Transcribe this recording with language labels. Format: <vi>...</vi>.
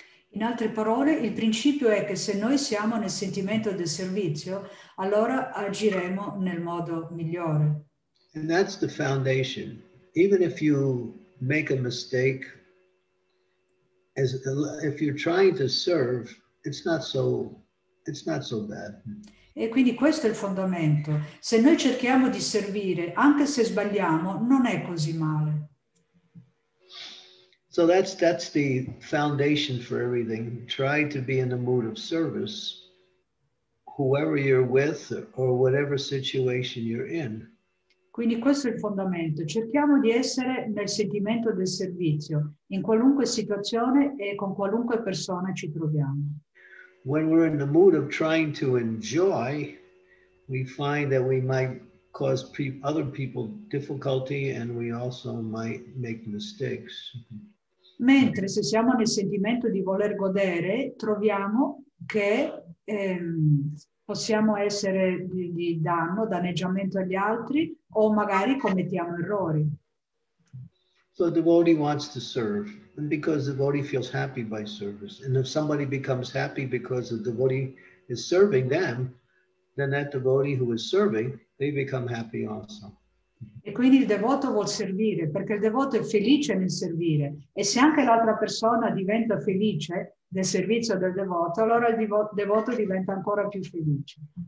<it>In altre parole, il principio è che se noi siamo nel sentimento del servizio, allora agiremo nel modo migliore.</it> <en>And that's the foundation. Even if you make a mistake, if you're trying to serve, it's not so bad.</en> <it>E quindi questo è il fondamento. Se noi cerchiamo di servire, anche se sbagliamo, non è così male.</it> <en>So that's the foundation for everything. Try to be in the mood of service, whoever you're with or whatever situation you're in.</en> <it>Quindi questo è il fondamento. Cerchiamo di essere nel sentimento del servizio, in qualunque situazione e con qualunque persona ci troviamo.</it> <en>when we're in the mood of trying to enjoy, we find that we might cause other people difficulty and we also might make mistakes.</en> <it>Mentre se siamo nel sentimento di voler godere, troviamo che possiamo essere di danno, danneggiamento agli altri, o magari commettiamo errori.</it> <en>So the devotee wants to serve, and because the devotee feels happy by service. And if somebody becomes happy because the devotee is serving them, then that devotee who is serving, they become happy also.</en> <it>E quindi il devoto vuol servire, perché il devoto è felice nel servire. E se anche l'altra persona diventa felice nel servizio del devoto, allora il devoto diventa ancora più felice.</it>